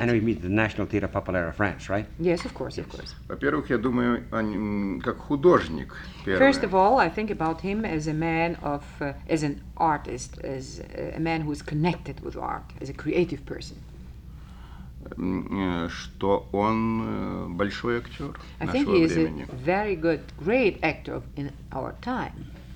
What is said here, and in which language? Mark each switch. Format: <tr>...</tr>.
<en>I know you mean the National Theatre Populaire of France, right? Yes, of course, yes. of course.</en> <ru>Во-первых, я думаю о нем как художник. Первое.</ru> <en>First of all, I think about him as a man of, as an artist, as a man who is connected with art, as a creative person.</en> <ru>Что он большой актер нашего времени.</ru> <en>I think he is a very good, great actor in our time.</en>